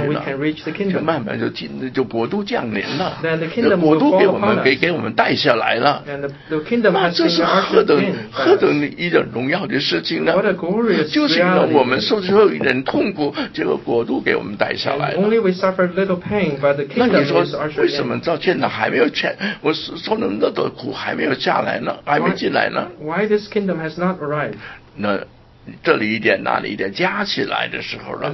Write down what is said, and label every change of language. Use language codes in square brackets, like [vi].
[en] Then we can reach the kingdom. [zh] 就慢慢就国度降临了。 [en] Then the kingdom will fall upon us. [zh] 国度给我们带下来了。 [en] And the kingdom has been ushered in. [zh] 那这是何等的一点荣耀的事情。 [en] What a glorious reality. [zh] 就是因为我们受所有人痛苦，这个国度给我们带下来。 [en] Only we suffer little pain, but the kingdom is ushered in. [zh] 那你说为什么到现在还没有全，我受那么多苦还没有下来呢？还没进来呢？ [en] Why this kingdom has not arrived? [zh] 那这里一点，那里一点，加起来的时候呢？